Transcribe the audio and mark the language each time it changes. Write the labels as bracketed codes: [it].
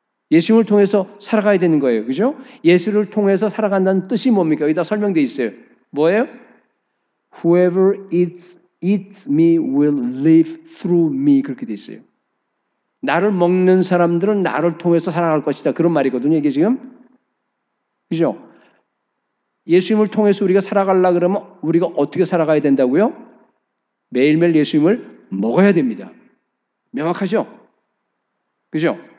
[ko] 예수님을 통해서 살아가야 되는 거예요. 그죠? 예수를 통해서 살아간다는 뜻이 뭡니까? 여기다 설명되어 있어요. 뭐예요? [en] Whoever eats me will live through me. [ko] 그렇게 되어 있어요. 나를 먹는 사람들은 나를 통해서 살아갈 것이다. 그런 말이거든요. 이게 지금. 그죠? 예수님을 통해서 우리가 살아가려 그러면 우리가 어떻게 살아가야 된다고요? 매일매일 예수님을 먹어야 됩니다. 명확하죠? 그죠?